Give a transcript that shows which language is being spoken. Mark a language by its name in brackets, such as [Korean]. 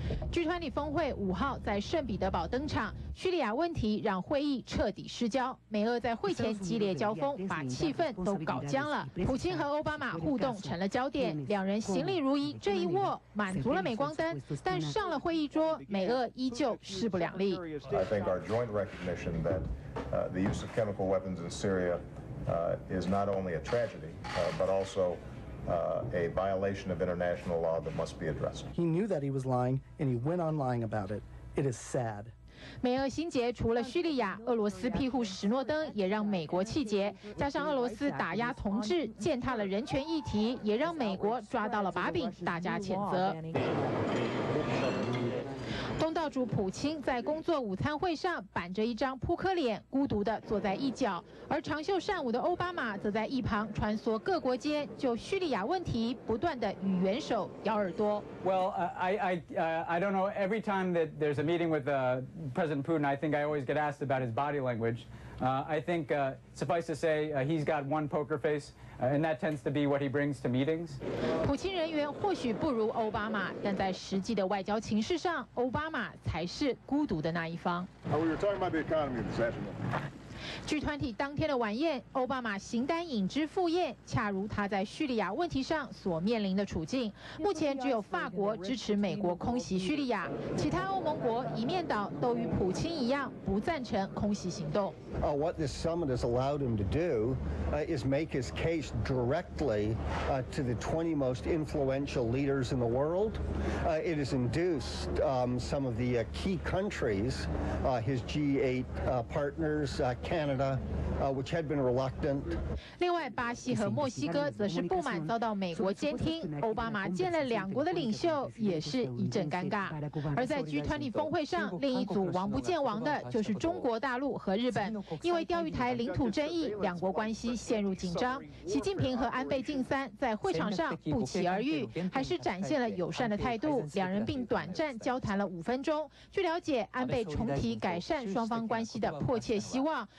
[Chinese] G20 峰会5号在圣彼得堡登场，叙利亚问题让会议彻底失焦，美俄在会前激烈交锋，把气氛都搞僵了。普京和奥巴马互动成了焦点，两人行礼如仪，这一握满足了镁光灯，但上了会议桌，美俄依旧势不两立。 [English] I think our joint recognition that the use of chemical weapons in Syria is not only a tragedy, but also a violation of international law that must be addressed. He knew that he was lying, and he went on lying about it. It is sad. [Chinese] 美俄心结除了叙利亚，俄罗斯庇护史诺登也让美国气结，加上俄罗斯打压同志，践踏了人权议题，也让美国抓到了把柄，大加谴责。东道主普京在工作午餐会上板着一张扑克脸，孤独地坐在一角，而长袖善舞的奥巴马则在一旁穿梭各国间，就叙利亚问题不断地与元首咬耳朵。 [English] Well, I don't know. Every time that there's a meeting with President Putin, I think I always get asked about his body language. I think suffice to say, he's got one poker face. And that tends to be what he brings to meetings. [Chinese] 普京人缘或许不如奥巴马，但在实际的外交情势上，奥巴马才是孤独的那一方。 [English] We were talking about the economy this afternoon. [Chinese] G20 当天的晚宴，奥巴马形单影只赴宴，恰如他在叙利亚问题上所面临的处境。目前只有法国支持美国空袭叙利亚，其他欧盟国一面倒都与普京一样不赞成空袭行动。 [English] What this summit has allowed him to do is make his case directly to the 20 most influential leaders in the world. It has induced some of the key countries, his G8 partners, Canada, which had been reluctant. [Chinese] 另外，巴西和墨西哥则是不满遭到美国监听，奥巴马见了两国的领袖也是一阵尴尬。而在 G20 峰会上，另一组王不见王的就是中国大陆和日本。因为钓鱼台领土争议，两国关系陷入紧张，习近平和安倍晋三在会场上不期而遇，还是展现了友善的态度，两人并短暂交谈了5分钟。据了解，安倍重提改善双方关系的迫切希望，